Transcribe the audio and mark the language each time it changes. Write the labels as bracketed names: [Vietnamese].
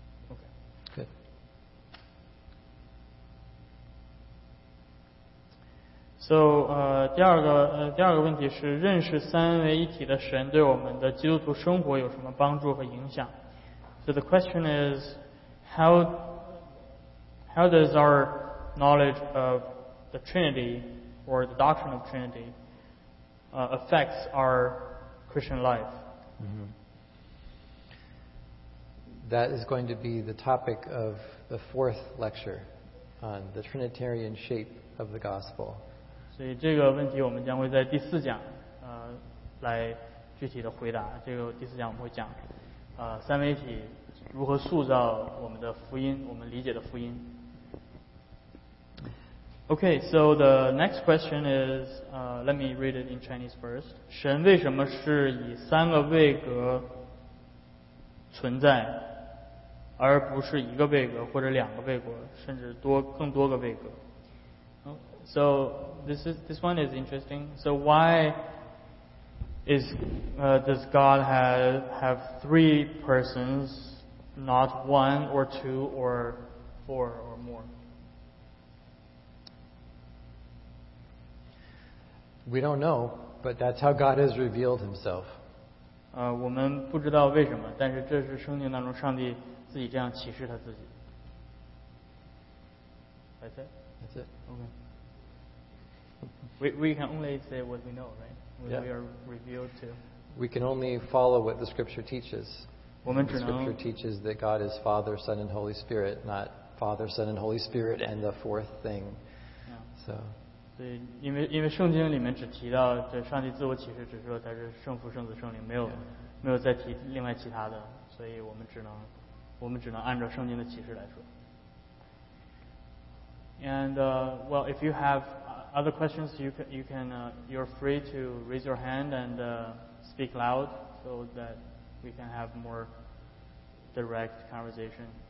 [English] OK。 [Chinese] So, 第二个问题是认识三位一体的神对我们的基督徒生活有什么帮助和影响？ [English] So the question is, how does our knowledge of the Trinity or the doctrine of Trinity affects our Christian life? Mm-hmm. That is going to be the topic of the fourth lecture on the Trinitarian shape of the gospel. [Chinese] 所以这个问题我们将会在第四讲来具体的回答，这个第四讲我们会讲，三位一体如何塑造我们的福音，我们理解的福音。 [English] Okay, so the next question is, let me read it in Chinese first. [Chinese] 神为什么是以三个位格存在，而不是一个位格或者两个位格，甚至多更多个位格？ [English] So this one is interesting. So why is does God have three persons, not one or two or four or more? We don't know, but that's how God has revealed himself. [Chinese] 我们不知道为什么，但是这是圣经当中上帝自己这样启示他自己。 [English] That's it? That's it. Okay. We can only say what we know, right? What、 yeah. we are revealed to. We can only follow what the scripture teaches. [Chinese] 我们只能 [English] The scripture teaches that God is Father, Son, and Holy Spirit, not Father, Son, and Holy Spirit, and the fourth thing.、 Yeah. So... [Chinese] 对，因为圣经里面只提到这上帝自我启示，只说他是圣父、圣子、圣灵，没有再提另外其他的，所以我们只能按照圣经的启示来说。 [English] And well, if you have other questions, you're free to raise your hand and speak loud so that we can have more direct conversation.